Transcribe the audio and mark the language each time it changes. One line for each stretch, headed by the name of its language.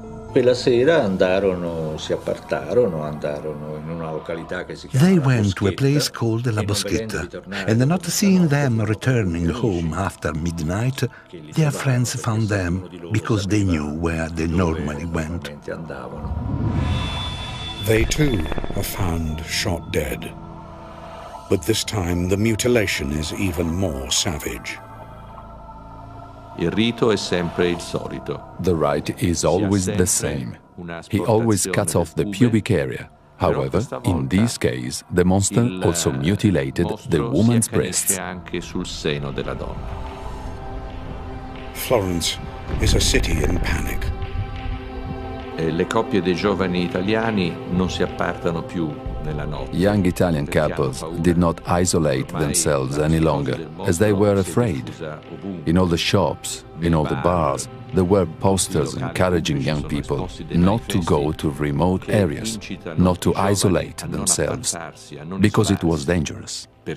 Italian: Quella sera andarono, si appartarono, andarono in una località che si chiama.
English: They went to a place called La Boschetta, and not seeing them returning home after midnight, their friends found them because they knew where they normally went. They too are found shot dead. But this time the mutilation is even more savage.
Italian: Il rito è sempre il solito.
English: The rite is always the same. He always cuts off the pubic area. However, in this case, the monster also mutilated the woman's breasts.
Italian: Anche sul seno della donna.
English: Florence is a city in panic.
Italian: E le coppie dei giovani italiani non si appartano più.
English: Young Italian couples did not isolate themselves any longer, as they were afraid. In all the shops, in all the bars, there were posters encouraging young people not to go to remote areas, not to isolate themselves, because it was dangerous.